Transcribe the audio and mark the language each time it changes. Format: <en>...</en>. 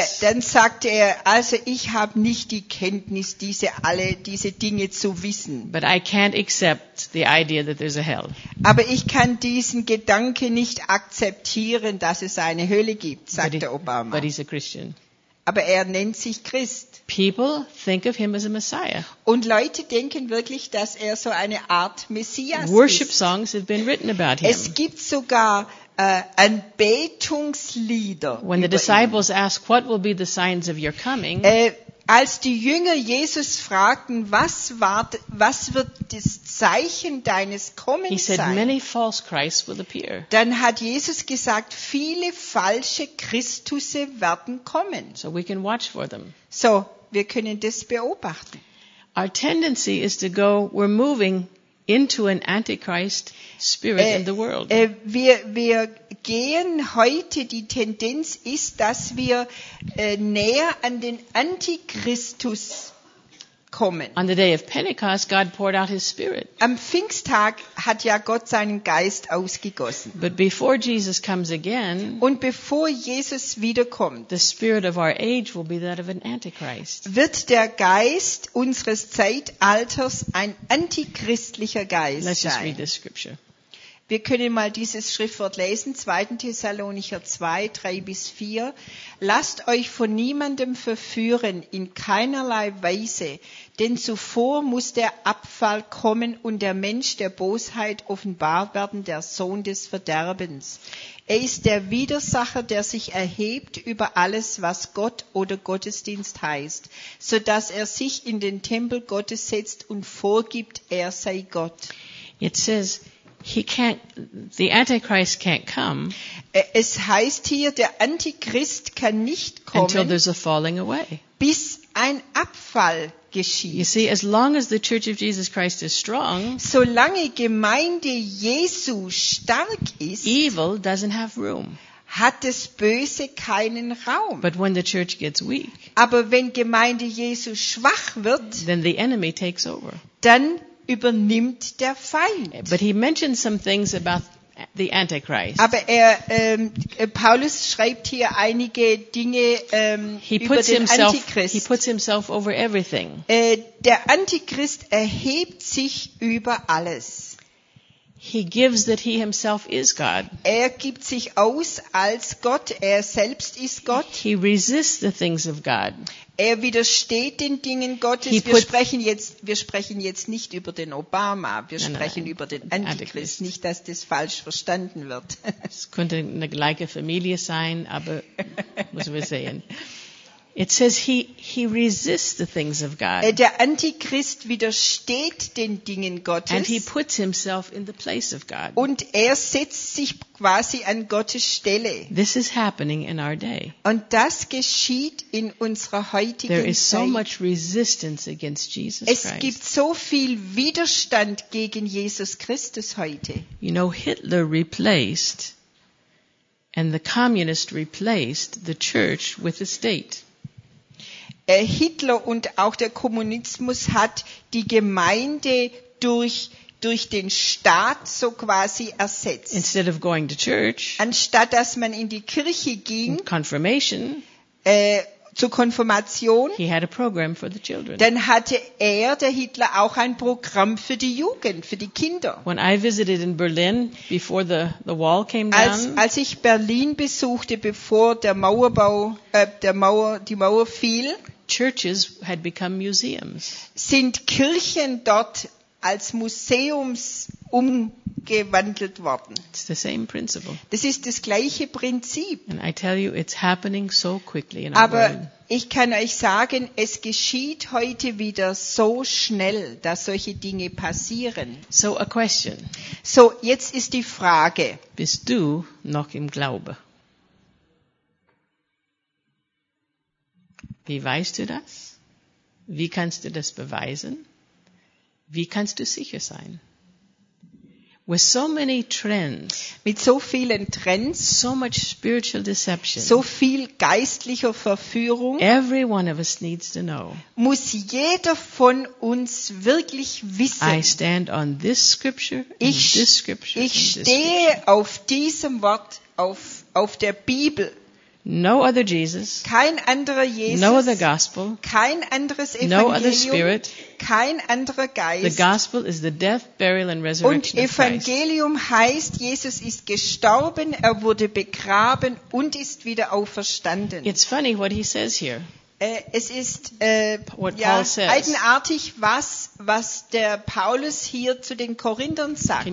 <de>Dann sagt er, also ich habe nicht die Kenntnis, diese Dinge zu wissen.</de> <en>But I can't accept the idea that there's a hell.</en> <de>Aber ich kann diesen Gedanke nicht akzeptieren, dass es eine Hölle gibt, sagt der Obama.</de> <en>But he's a Christian.</en> <de>Aber er nennt sich Christ.</de> <en>People think of him as a Messiah.</en> <de>Und Leute denken wirklich, dass er so eine Art Messias</de> <en>Worship</en> <de>ist.</de> <en>Songs have been written about him.</en> <de>Es gibt sogar Anbetungslieder.</de> <en>When the disciples ask, what will be the signs of your coming?</en> <de>Als die Jünger Jesus fragten, was wird das Zeichen deines Kommens sein?</de> <en>He said, many false Christs will appear.</en> <de>Dann hat Jesus gesagt, viele falsche Christusse werden kommen.</de> <en>So we can watch for them.</en> <de>So, wir können das beobachten.</de> <en>Our tendency is to go, we're moving into an antichrist spirit in the world.</en> <de>Wir gehen heute, die Tendenz ist, dass wir näher an den Antichristus kommen.</de> <en>On the day of Pentecost, God poured out his spirit.</en> <de>Am Pfingsttag hat ja Gott seinen Geist ausgegossen.</de> <en>But before Jesus comes again,</en> <de>und bevor Jesus wiederkommt,</de> <en>the spirit of our age will be that of an antichrist.</en> <de>Wird der Geist unseres Zeitalters ein antichristlicher Geist</de> <en>Let's</en> <de>sein.</de> <en>Let's read this scripture.</en> <de>Wir können mal dieses Schriftwort lesen, 2. Thessalonicher 2, 3 bis 4. Lasst euch von niemandem verführen, in keinerlei Weise, denn zuvor muss der Abfall kommen und der Mensch der Bosheit offenbar werden, der Sohn des Verderbens. Er ist der Widersacher, der sich erhebt über alles, was Gott oder Gottesdienst heißt, so dass er sich in den Tempel Gottes setzt und vorgibt, er sei Gott. Jetzt</de> <en>says He can't, the Antichrist can't come.</en> <de>Es heißt hier, der Antichrist kann nicht kommen.</de> <en>Until there's a falling away.</en> <de>Bis ein Abfall geschieht.</de> <en>You see, as long as the Church of Jesus Christ is strong,</en> <de>solange Gemeinde Jesu stark ist,</de> <en>evil doesn't have room.</en> <de>Hat das Böse keinen Raum.</de> <en>But when the church gets weak,</en> <de>aber wenn Gemeinde Jesu schwach wird,</de> <en>then the enemy takes over.</en> <de>Dann übernimmt der Feind.</de> <en>But he mentions some things about the Antichrist.</en> <de>Aber er, Paulus schreibt hier einige Dinge über den Antichrist.</de> <en>He puts himself over everything.</en> <de>Der Antichrist erhebt sich über alles.</de> <en>He gives that he himself is God.</en> <de>Er gibt sich aus als Gott. Er selbst ist Gott.</de> <en>He resists the things of God.</en> <de>Er widersteht den Dingen Gottes. Wir sprechen jetzt nicht über den Obama. Wir sprechen über den Antichrist. Nicht, dass das falsch verstanden wird. Es könnte eine gleiche Familie sein, aber müssen wir sehen.</de> <en>It says he resists the things of God.</en> <de>Der Antichrist widersteht den Dingen Gottes.</de> <en>And he puts himself in the place of God.</en> <de>Und er setzt sich quasi an Gottes Stelle.</de> <en>This is happening in our day.</en> <de>Und das geschieht in unserer heutigen Zeit.</de> <en>There is so much resistance against Jesus Christ.</en> <de>Es gibt so viel Widerstand gegen Jesus Christus heute.</de> <en>You know, Hitler replaced and the communist replaced the church with the state.</en> <de>Hitler und auch der Kommunismus hat die Gemeinde durch den Staat so quasi ersetzt.</de> <en>Instead of going to church,</en> <de>anstatt dass man in die Kirche ging,</de> <en>confirmation,</en> <de>zur Konfirmation,</de> <en>he had a program for the children.</en> <de>Dann hatte er, der Hitler, auch ein Programm für die Jugend, für die Kinder.</de> <en>When I visited in Berlin before the wall came down,</en> <de>als ich Berlin besuchte, bevor die Mauer fiel,</de> <en>churches had become museums.</en> <de>Sind Kirchen dort als Museums umgewandelt worden.</de> <en>It's the same principle.</en> <de>Das ist das gleiche Prinzip.</de> <en>And I tell you, it's happening so quickly in our world.</en> <de>Ich kann euch sagen, es geschieht heute wieder so schnell, dass solche Dinge passieren.</de> <en>So a question.</en> <de>So, jetzt ist die Frage. Bist du noch im Glaube? Wie weißt du das? Wie kannst du das beweisen? Wie kannst du sicher sein?</de> <en>With so many trends,</en> <de>mit so vielen Trends,</de> <en>so much spiritual deception,</en> <de>so viel geistlicher Verführung,</de> <en>every one of us needs to know,</en> <de>muss jeder von uns wirklich wissen.</de> <en>I stand on this scripture,</en> <de>ich stehe auf diesem Wort, auf der Bibel.</de> <en>No other Jesus.</en> <de>Kein anderer Jesus.</de> <en>No other gospel.</en> <de>Kein anderes Evangelium.</de> <en>No other spirit.</en> <de>Kein anderer Geist.</de> <en>The gospel is the death, burial and resurrection of Christ.</en> <de>Und Evangelium heißt, Jesus ist gestorben, er wurde begraben und ist wieder auferstanden.</de> <en>It's funny what he says here.</en> <de>Es ist eigenartig, was der Paulus hier zu den Korinthern sagt.</de>